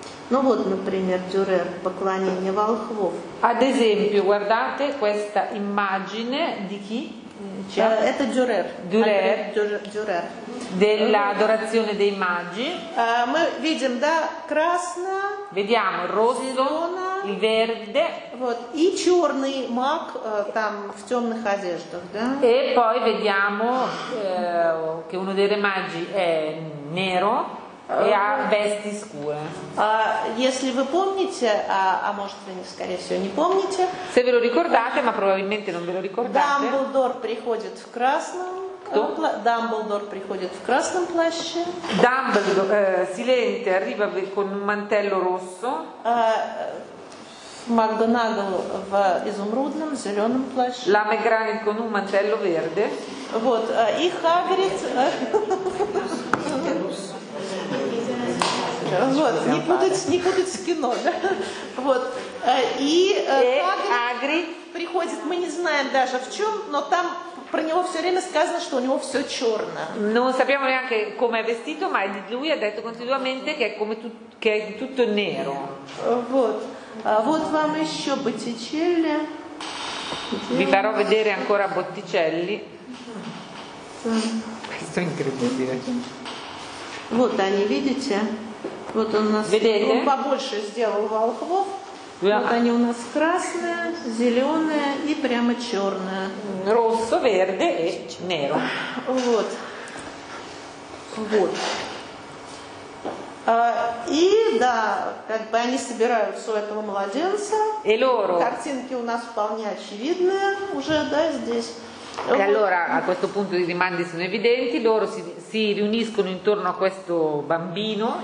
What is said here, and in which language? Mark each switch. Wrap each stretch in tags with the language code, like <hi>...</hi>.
<ru>Ну вот, например, Дюрер, поклонение волхвов.</ru> <it>Ad esempio, guardate questa immagine di chi?</it> <ru>Это Дюрер. Дюрер.</ru> <it>Dell'adorazione dei magi.</it> <ru>Мы видим, да, красно.</ru> <it>Vediamo il rosso,</it> <ru>зелено,</ru> <it>il verde.</it> <ru>Вот, и черный маг там в темных одеждах, да?</ru> <it>E poi vediamo che uno dei magi è nero. E ha vesti scure.</it> <ru>Если вы помните, а может вы, скорее всего, не помните.</ru> <it>Se ve lo ricordate, ma probabilmente non ve lo ricordate.</it> <ru>Дамблдор приходит в красном. Дамблдор приходит в красном плаще.</ru> <it>Дамблдор, Силенте arriva con un mantello rosso.</it> <ru>Макгонагалл в изумрудном, зеленом плаще.</ru> <it>La McGonagall con un mantello verde.</it> <ru>Вот, и Хагрид. Вот, не путать, не путать с кино, да? Вот. И Хагрид приходит, мы не знаем даже в чем, но там про него все время сказано, что у него все черное.</ru> <it>Non sappiamo neanche come è vestito, ma lui ha detto continuamente che è come che è tutto nero.</it> <ru>Вот. Вот вам еще Боттичелли.</ru> <it>Vi farò vedere ancora Botticelli. Questo è incredibile.</it> <ru>Вот они, видите? Вот он у нас Видели? Побольше сделал волхвов. Yeah. Вот они у нас красные, зеленые и прямо черные.</ru> <it>Rosso, verde e nero.</it> <ru>Вот. Вот. И да, как бы они собираются у этого младенца.</ru> <it>E loro.</it> <ru>Картинки у нас вполне очевидные уже, да, здесь.</ru> <it>E allora a questo punto i rimandi sono evidenti, loro si riuniscono intorno a questo bambino,</it>